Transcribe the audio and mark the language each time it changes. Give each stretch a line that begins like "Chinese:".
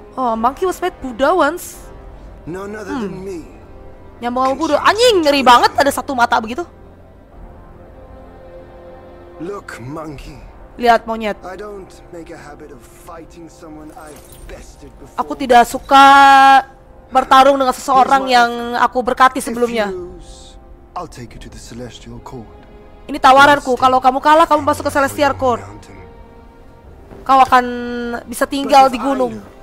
English: Oh, monkey was made Buddha once. None other than me.
Indonesian: Nyambung sama Buddha. Anjing, ngeri banget ada satu mata begitu.
English: Look, monkey.
Indonesian: Lihat monyet.
English: I don't make a habit of fighting someone I've bested before.
Indonesian: Aku tidak suka bertarung dengan seseorang yang aku berkati sebelumnya.
English: I'll take you to the celestial court.
Indonesian: Ini tawaranku, kalau kamu kalah kamu masuk ke celestial court. Kau akan bisa tinggal di gunung.